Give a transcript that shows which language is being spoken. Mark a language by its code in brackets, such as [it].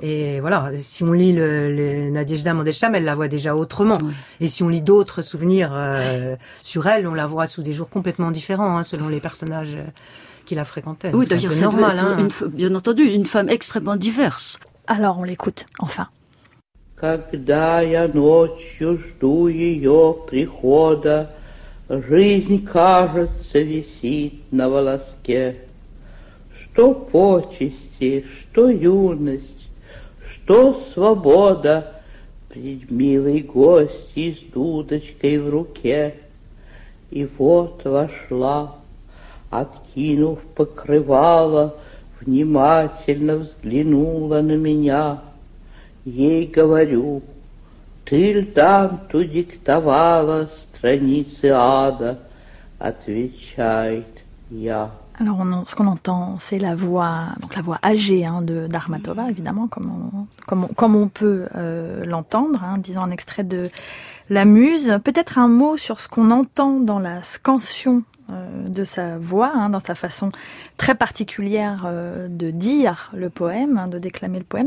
[fr] Et voilà, si on lit le Nadejda Mendelstam, elle la voit déjà autrement. Oui. Et si on lit d'autres souvenirs sur elle, on la voit sous des jours complètement différents, hein, selon les personnages qui la fréquentaient. Oui, d'ailleurs, c'est normal. Bien entendu, une femme extrêmement diverse. Alors, on l'écoute, enfin. [ru] Когда я ночью жду ее прихода, жизнь, кажется, висит на волоске. Что почести, что юность, что свобода пред милой гостьей с дудочкой в руке. И вот вошла, откинув покрывало, внимательно взглянула на меня. Ей говорю, ты льданту диктовала страницы ада, отвечает я. [fr] Alors, ce qu'on entend, c'est la voix, donc la voix âgée, hein, d'Akhmatova, évidemment, comme on peut l'entendre, hein, disons un extrait de La Muse. Peut-être un mot sur ce qu'on entend dans la scansion de sa voix, hein, dans sa façon très particulière de dire le poème, hein, de déclamer le poème.